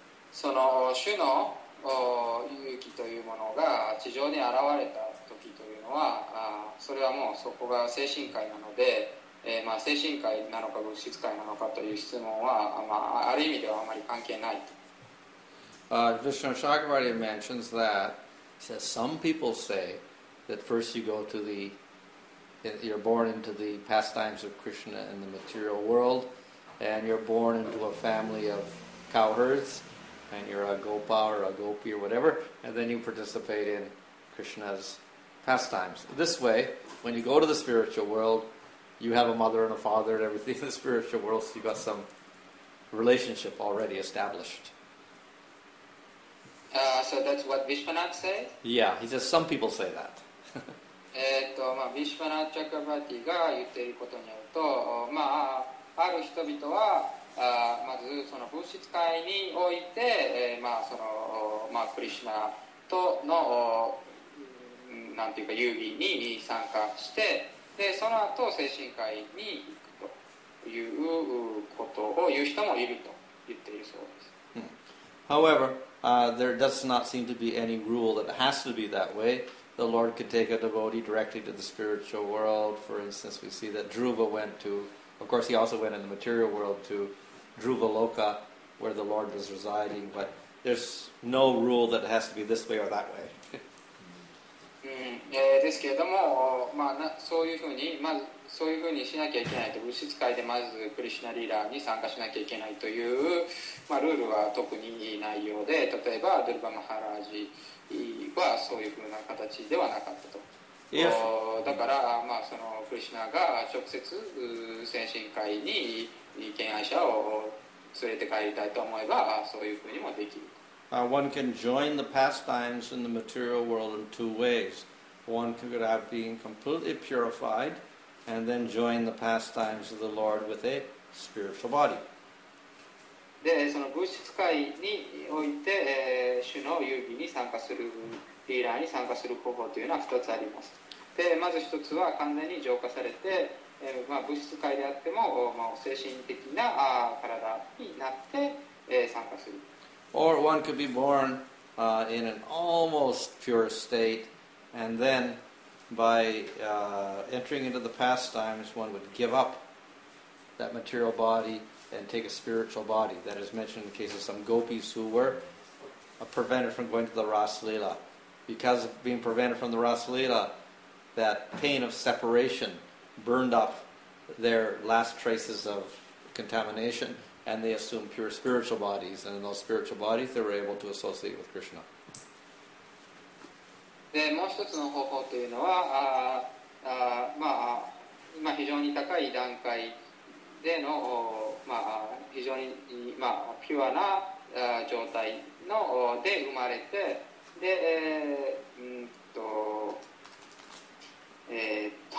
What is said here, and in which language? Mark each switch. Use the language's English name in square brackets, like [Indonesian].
[Japanese] その主の勇気というものが地上に現れた時というのは、それはもうそこが精神界なので。まあ、精神界なのか物質界なのかという質問は、まあ、ある意味ではあまり関係ないと。 [English] Vishnu Chakravarti mentions that he says some people say that first you go to the you're born into the pastimes of Krishna in the material world and you're born into a family of cowherds and you're a gopa or a gopi or whatever and then you participate in Krishna's pastimes. This way, when you go to the spiritual worldYou have a mother and a father and everything in the spiritual world, so you've got some relationship already established. So that's what Vishwanath said? Yeah, he says some people say that. [Japanese] Vishwanath Chakravarti が言っていることによると、まあ、ある人々は、まずその物質界において、まあ、その、まあ、クリシナとの、なんていうか、遊戯に参加して、でその後精神界に行くということを言う人もいると言っているそうです。 Hmm. [English] However, there does not seem to be any rule that it has to be that way. The Lord could take a devotee directly to the spiritual world. For instance, we see that Dhruva went to, of course he also went in the material world to Dhruva Loka, where the Lord was residing, but there's no rule that it has to be this way or that way. [Japanese] うん、ですけれども、まあ、そういうふうに、まずそういうふうにしなきゃいけないと、物質界でまずクリシナリーラーに参加しなきゃいけないという、まあ、ルールは特にいい内容で、例えばドゥルバマハラージはそういうふうな形ではなかったと。 [English] Yes. [Japanese] だから、まあ、そのクリシナが直接精神界に敬愛者を連れて帰りたいと思えば、そういうふうにもできる。 [English] One can join the pastimes in the material world in two ways. One could have been completely purified and then join the pastimes of the Lord with a spiritual body. [Japanese] で、その物質界において、主の遊戯に参加する、リーラーに参加する方法というのは二つあります。で、まず一つは完全に浄化されて、まあ、物質界であっても、まあ、精神的な、体になって、参加する。 [English] Or one could be born in an almost pure state, and then by entering into the pastimes, one would give up that material body and take a spiritual body. That is mentioned in the case of some gopis who were prevented from going to the Rasleela. Because of being prevented from the Rasleela, that pain of separation burned up their last traces of contamination. And they assume pure spiritual bodies, and in those spiritual bodies, they were able to associate with Krishna. [Japanese] で、もう一つの方法というのは、まあ、今非常に高い段階での、まあ、非常に、まあ、ピュアな状態ので生まれて、で、